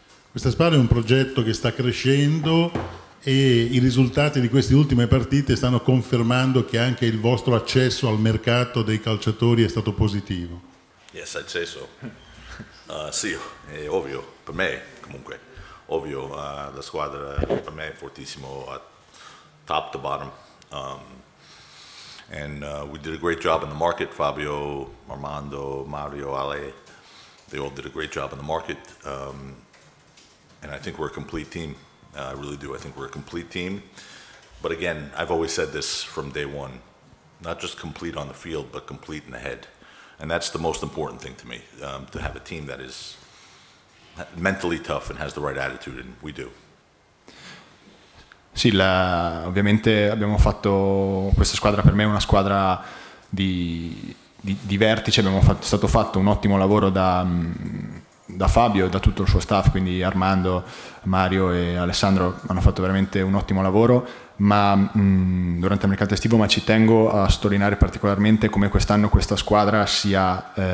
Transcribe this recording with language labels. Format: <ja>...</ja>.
<it>Questa Spal è un progetto che sta crescendo e i risultati di queste ultime partite stanno confermando che anche il vostro accesso al mercato dei calciatori è stato positivo.</it> <en>Yes, I'd say so.</en> <it>Sì, è ovvio, per me comunque, ovvio, la squadra per me è fortissimo,</it> <en>top to bottom. And we did a great job in the market, Fabio, Armando, Mario, Ale, they all did a great job in the market. And I think we're a complete team. I really do. I think we're a complete team. But again, I've always said this from day one, not just complete on the field, but complete in the head. And that's the most important thing to me, to have a team that is mentally tough and has the right attitude, and we do.</en> <it>Sì, ovviamente abbiamo fatto questa squadra, per me è una squadra di vertice. Abbiamo fatto un ottimo lavoro da Fabio e da tutto il suo staff, quindi Armando, Mario e Alessandro hanno fatto veramente un ottimo lavoro, ma durante il mercato estivo, ma ci tengo a sottolineare particolarmente come quest'anno questa squadra sia</it>